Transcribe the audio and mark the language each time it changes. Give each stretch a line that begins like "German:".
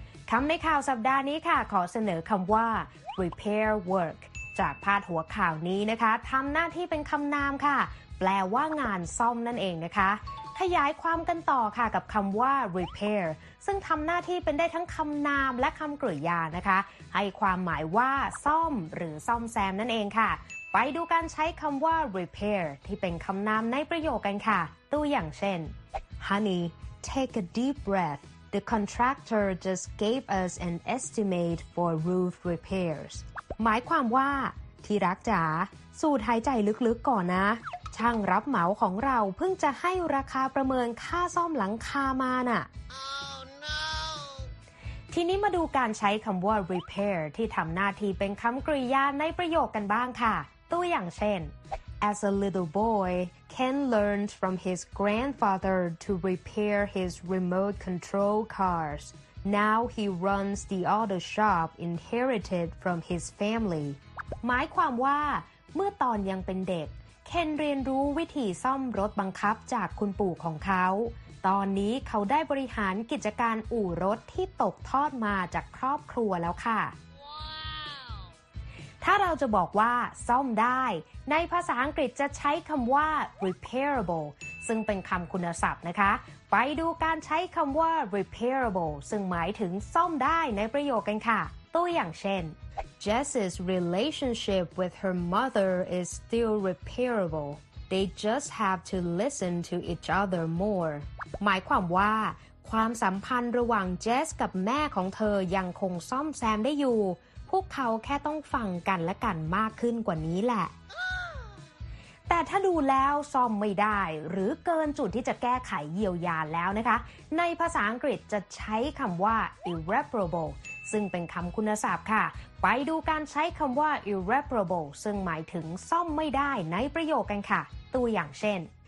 Thai: คำในข่าวสัปดาห์นี้ค่ะขอเสนอคำว่า repair work จากพาดหัวข่าวนี้นะคะทำหน้าที่เป็นคำนามค่ะแปลว่างานซ่อมนั่นเองนะคะขยายความกันต่อค่ะกับคำว่า repair ซึ่งทำหน้าที่เป็นได้ทั้งคำนามและคำกริยานะคะให้ความหมายว่าซ่อมหรือซ่อมแซมนั่นเองค่ะไปดูการใช้คำว่า repair ที่เป็นคำนามในประโยคกันค่ะตัวอย่างเช่น
English: Honey, take a deep breath. The contractor just gave us an estimate for roof repairs.
Thai: หมายความว่าที่รักจ๋าสูดหายใจลึกๆก่อนนะช่างรับเหมาของเราเพิ่งจะให้ราคาประเมินค่าซ่อมหลังคามาน่ะ
English: oh, no.
Thai: ทีนี้มาดูการใช้คำว่า repair ที่ทำหน้าที่เป็นคำกริยาในประโยคกันบ้างค่ะตัวอย่างเช่น
English: As a little boy, Ken learned from his grandfather to repair his remote control cars. Now he runs the auto shop inherited from his family.
Thai: หมายความว่าเมื่อตอนยังเป็นเด็กเคนเรียนรู้วิธีซ่อมรถบังคับจากคุณปู่ของเขาตอนนี้เขาได้บริหารกิจการอู่รถที่ตกทอดมาจากครอบครัวแล้วค่ะ ถ้าเราจะบอกว่าซ่อมได้ในภาษาอังกฤษจะใช้คำว่า repairable ซึ่งเป็นคำคุณศัพท์นะคะไปดูการใช้คำว่า repairable ซึ่งหมายถึงซ่อมได้ในประโยคกันค่ะตัวอย่างเช่น
English: Jess's relationship with her mother is still repairable. They just have to listen to each other more.
Thai: หมายความว่าความสัมพันธ์ระหว่างเจสกับแม่ของเธอยังคงซ่อมแซมได้อยู่พวกเขาแค่ต้องฟังกันและกันมากขึ้นกว่านี้แหละ แต่ถ้าดูแล้วซ่อมไม่ได้หรือเกินจุดที่จะแก้ไขเยียวยาแล้วนะคะในภาษาอังกฤษจะใช้คำว่า irreparable ซึ่งเป็นคำคุณศัพท์ค่ะไปดูการใช้คำว่า irreparable ซึ่งหมายถึงซ่อมไม่ได้ในประโยคกันค่ะตัวอย่างเช่น